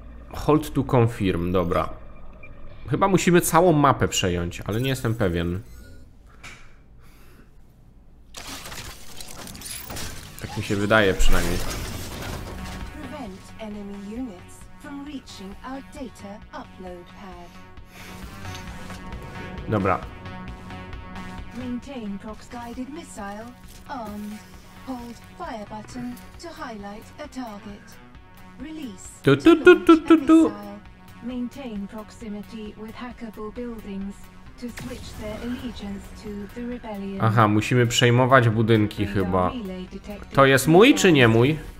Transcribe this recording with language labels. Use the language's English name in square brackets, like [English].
[English] Hold to confirm, [Polish] dobra. Chyba musimy całą mapę przejąć, ale nie jestem pewien. Tak mi się wydaje przynajmniej. [English] Prevent enemy units from reaching our data upload pad. Dobra. Maintain Prox guided missile on. Hold fire button to highlight a target. Release. [Polish] Tu. [English] Maintain proximity with hackable buildings to switch their allegiance to the rebellion. [Polish] Aha, musimy przejmować budynki chyba. To jest mój czy nie mój?